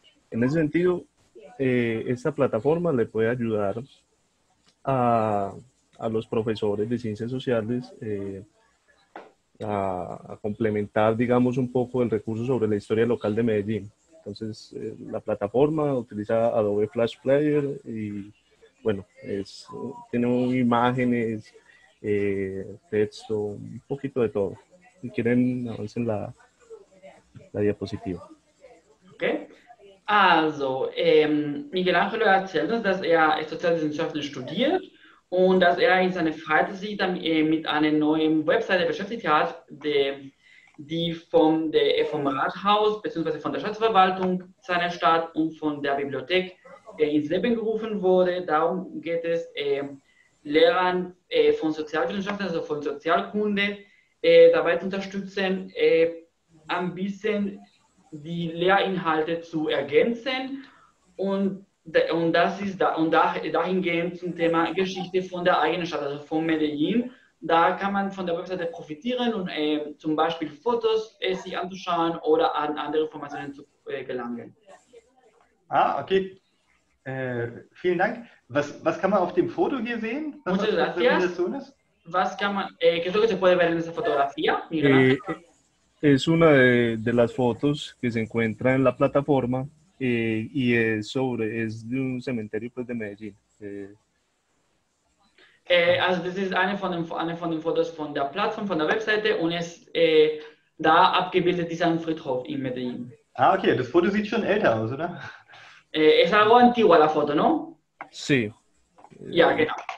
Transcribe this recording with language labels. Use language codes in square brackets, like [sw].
[es] En ese sentido, esta plataforma le puede ayudar a los profesores de ciencias sociales a complementar, digamos, un poco el recurso sobre la historia local de Medellín. Entonces, la plataforma utiliza Adobe Flash Player y, bueno, tiene imágenes, texto, un poquito de todo. Si quieren, avancen la diapositiva. Okay. [de] Also, Miguel Ángel erzählt uns, dass er Sozialwissenschaften studiert und dass er in seiner Freizeit sich mit einer neuen Webseite beschäftigt hat, die vom Rathaus bzw. von der Stadtverwaltung seiner Stadt und von der Bibliothek ins Leben gerufen wurde. Darum geht es Lehrern von Sozialwissenschaften, also von Sozialkunde, dabei zu unterstützen, ein bisschen die Lehrinhalte zu ergänzen und dahingehend zum Thema Geschichte von der eigenen Stadt, also von Medellin. Da kann man von der Webseite profitieren und zum Beispiel Fotos sich anzuschauen oder an andere Informationen zu gelangen. Ah, okay. Vielen Dank. Was kann man auf dem Foto hier sehen? Was kann man? [es] ¿Qué es lo que se puede ver en esa fotografía? Es una de las fotos que se encuentra en la plataforma y es de un cementerio pues, de Medellín. [de] Also das ist eine von den Fotos von der Plattform, von der Webseite und es da abgebildet ist ein Friedhof in Medellín. Ah, okay, das Foto sieht schon älter aus, oder? [es] Es ist algo antiguo, la foto, no? Sí. [de] Ja, genau.